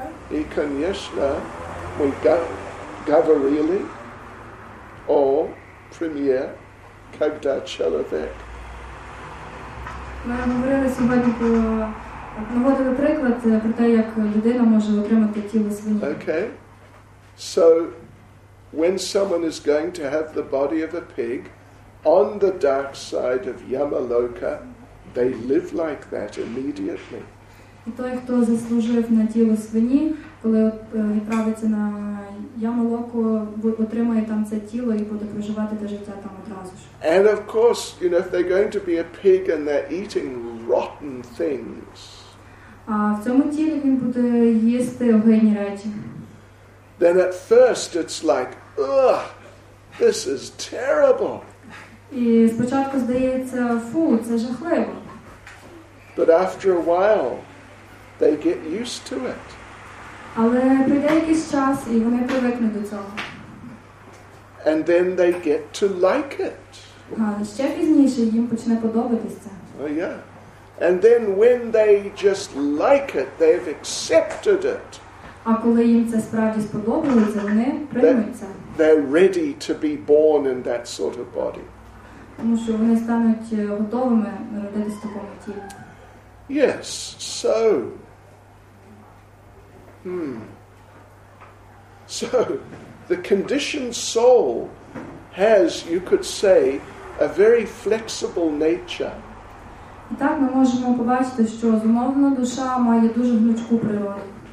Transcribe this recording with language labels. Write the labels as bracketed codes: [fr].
[ru] И, конечно, мы говорили о премьер, когда человек. [uk] Ми говорили сьогодні про, наводили приклад про те, як людина може отримати тіло свині. [en] Okay. So, when someone is going to have the body of a pig, on the dark side of Yamaloka, they live like that immediately. [uk] І той, хто заслужив на тіло свині, коли відправиться на Ямалоку, отримає там це тіло і буде проживати те життя там одразу ж. [en] And of course, you know, if they're going to be a pig and they're eating rotten things. [uk] А в цьому тілі він буде їсти огидні речі. [en] Then at first it's like, ugh, this is terrible. [uk] І спочатку здається, фу, це жахливо. [en] But after a while, they get used to it. [uk] Але прийде якийсь час, і вони привикнуть до цього. [en] And then they get to like it. [uk] Ще пізніше їм почне подобатись це. [en] Oh, yeah. And then when they just like it, they've accepted it. [uk] А коли їм це справді сподобалося, вони приймуть це. [en] They're ready to be born in that sort of body. [uk] Тому що вони стануть готовими народитись в такому тілі. [en] Yes, so... So, the conditioned soul has, you could say, a very flexible nature. [uk] І так ми можемо побачити, що зумовлена душа має дуже гнучку природу.